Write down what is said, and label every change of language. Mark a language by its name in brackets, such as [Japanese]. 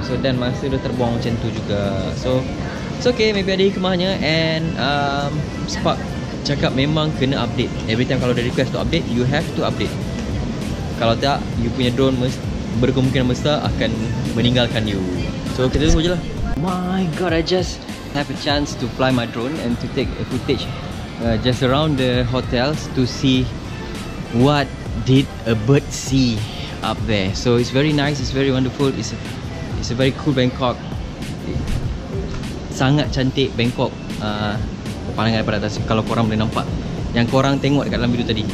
[Malay] So dan masa dia terbuang macam tu juga. [English] So it's okay, maybe [Malay] ada hikmahnya. And Spark cakap memang kena update. [English] Every time [Malay] kalau dia [English] request to update, you have to update. [Malay] Kalau tak, you punya drone mesti berkemungkinan besar akan meninggalkan you. So kita tunggu je lah. [English] My god, I just have a chance to fly my drone and to take a footage just around the hotels to see what did a bird see up there. So it's very nice, it's very wonderful. It's a very cool Bangkok. [Malay] Sangat cantik Bangkok, pandangan daripada atas, kalau korang boleh nampak yang korang tengok dekat dalam video tadi.